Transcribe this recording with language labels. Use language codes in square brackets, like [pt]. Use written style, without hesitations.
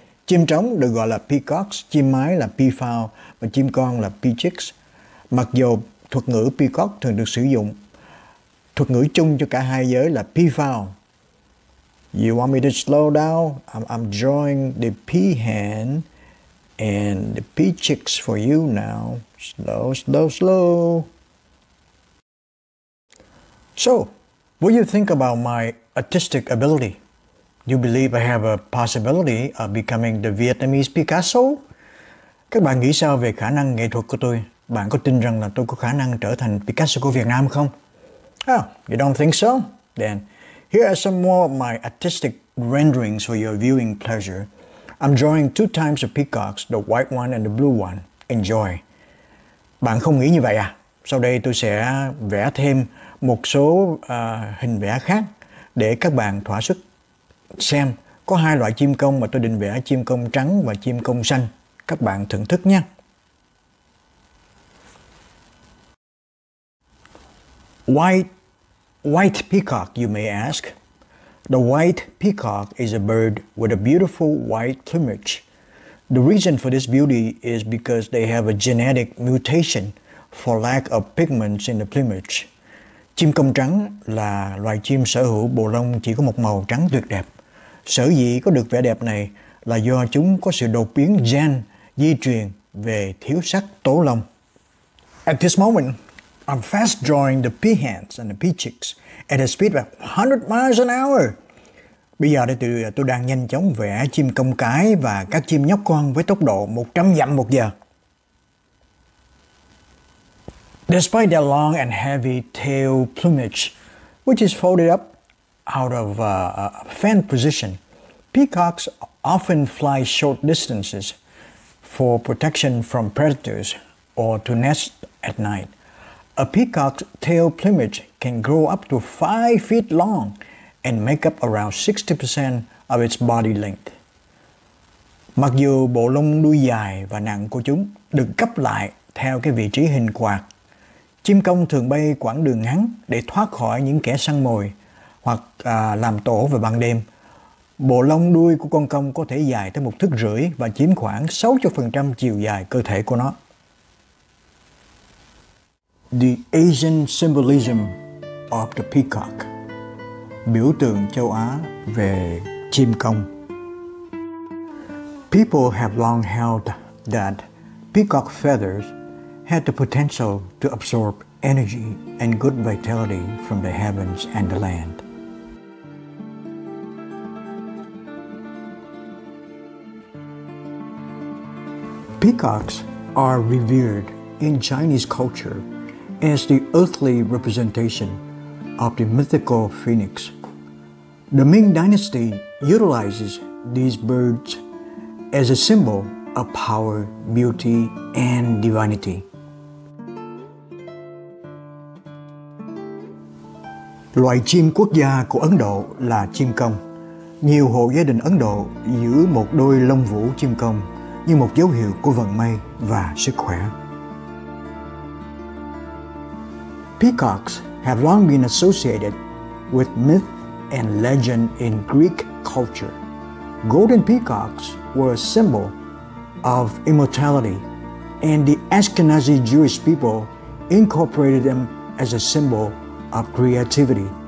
[vi] Chim trống được gọi là peacocks, chim mái là peafowl và chim con là peachicks. Mặc dù thuật ngữ peacock thường được sử dụng, thuật ngữ chung cho cả hai giới là peafowl. [en] You want me to slow down? I'm drawing the peahen and the peachicks for you now. Slow, slow, slow. So, what do you think about my artistic ability? Do you believe I have a possibility of becoming the Vietnamese Picasso? [vi] Các bạn nghĩ sao về khả năng nghệ thuật của tôi? Bạn có tin rằng là tôi có khả năng trở thành Picasso của Việt Nam không? [en] Oh, you don't think so? Then, here are some more of my artistic renderings for your viewing pleasure. I'm drawing two types of peacocks, the white one and the blue one. Enjoy. [vi] Bạn không nghĩ như vậy à? Sau đây tôi sẽ vẽ thêm một số hình vẽ khác để các bạn thỏa sức xem. Có hai loại chim công mà tôi định vẽ, chim công trắng và chim công xanh. Các bạn thưởng thức nhé. [en] White peacock, you may ask. The white peacock is a bird with a beautiful white plumage. The reason for this beauty is because they have a genetic mutation for lack of pigments in the plumage. [vi] Chim công trắng là loài chim sở hữu bộ lông chỉ có một màu trắng tuyệt đẹp. Sở dĩ có được vẻ đẹp này là do chúng có sự đột biến gen di truyền về thiếu sắc tố lông. [en] At this moment, I'm fast drawing the peahens and the peachicks at a speed of 100 miles an hour. [vi] Bây giờ thì tôi đang nhanh chóng vẽ chim công cái và các chim nhóc con với tốc độ 100 dặm một giờ. [en] Despite their long and heavy tail plumage, which is folded up out of a fan position, peacocks often fly short distances for protection from predators or to nest at night. A peacock's tail plumage can grow up to 5 feet long and make up around 60% of its body length. [vi] Mặc dù bộ lông đuôi dài và nặng của chúng được gấp lại theo cái vị trí hình quạt, chim công thường bay quãng đường ngắn để thoát khỏi những kẻ săn mồi hoặc làm tổ vào ban đêm. Bộ lông đuôi của con công có thể dài tới 1.5 feet và chiếm khoảng 60% chiều dài cơ thể của nó. [en] The Asian symbolism of the peacock. [vi] Biểu tượng châu Á về chim công. [en] People have long held that peacock feathers had the potential to absorb energy and good vitality from the heavens and the land. Peacocks are revered in Chinese culture as the earthly representation of the mythical phoenix. The Ming Dynasty utilizes these birds as a symbol of power, beauty, and divinity. [vi] Loài chim quốc gia của Ấn Độ là chim công. Nhiều hộ gia đình Ấn Độ giữ một đôi lông vũ chim công như một dấu hiệu của vận may và sức khỏe. [en] Peacocks have long been associated with myth and legend in Greek culture. Golden peacocks were a symbol of immortality, and the Ashkenazi Jewish people incorporated them as a symbol of creativity.